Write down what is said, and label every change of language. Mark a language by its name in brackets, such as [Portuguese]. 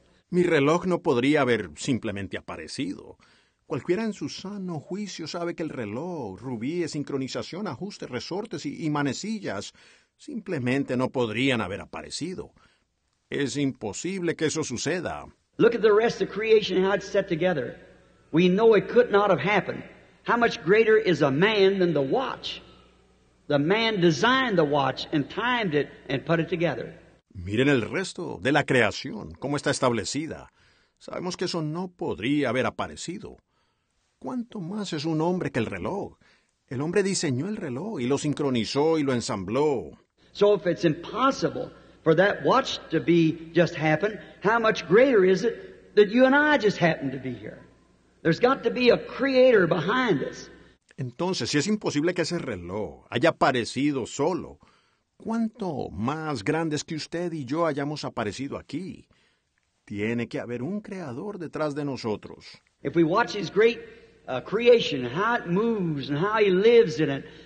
[Spanish] Mi reloj no podría haber simplemente aparecido. Cualquiera en su sano juicio sabe que el reloj, rubíes, sincronización, ajustes, resortes y manecillas simplemente no podrían haber aparecido. Es imposible que eso suceda. [English] Look at the rest of creation, how it's set together. We know it could not have happened. How much greater is a man than the watch? The man designed the watch and timed it and put it together. [Spanish] Miren el resto de la creación, cómo está establecida. Sabemos que eso no podría haber aparecido. ¿Cuánto más es un hombre que el reloj? El hombre diseñó el reloj y lo sincronizó y lo ensambló. [English] So if it's impossible for that watch to be just happen, how much greater is it that you and I just happen to be here? There's got to be a creator behind us. [Spanish] Entonces, si es imposible que ese reloj haya aparecido solo, ¿cuánto más grande es que usted y yo hayamos aparecido aquí? Tiene que haber un creador detrás de nosotros. [English] If we watch his great creation, how it moves and how he lives in it.